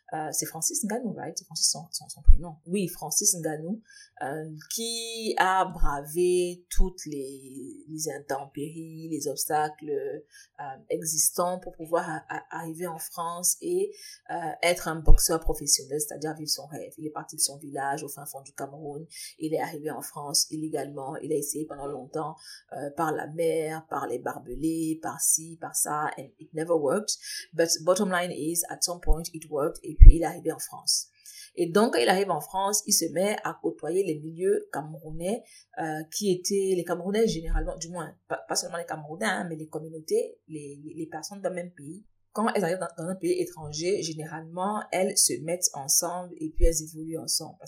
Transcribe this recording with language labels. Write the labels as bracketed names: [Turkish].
[French] C'est Francis Ngannou, [English] right? [French] C'est Francis son prénom. Oui, Francis Ngannou, qui a bravé toutes les intempéries, les obstacles existants pour pouvoir arriver en France et être un boxeur professionnel, c'est-à-dire vivre son rêve. Il est parti de son village au fin fond du Cameroun. Il est arrivé en France illégalement. Il a essayé pendant longtemps par la mer, par les barbelés, par ci, par ça. [English] And it never worked. But bottom line is, at some point, it worked. [French] Et puis, il est arrivé en France. Et donc, quand il arrive en France, il se met à côtoyer les milieux camerounais qui étaient les Camerounais généralement, du moins, pas seulement les Camerounais, hein, mais les communautés, les personnes d'un même pays. Quand elles arrivent dans un pays étranger, généralement, elles se mettent ensemble et puis elles évoluent ensemble.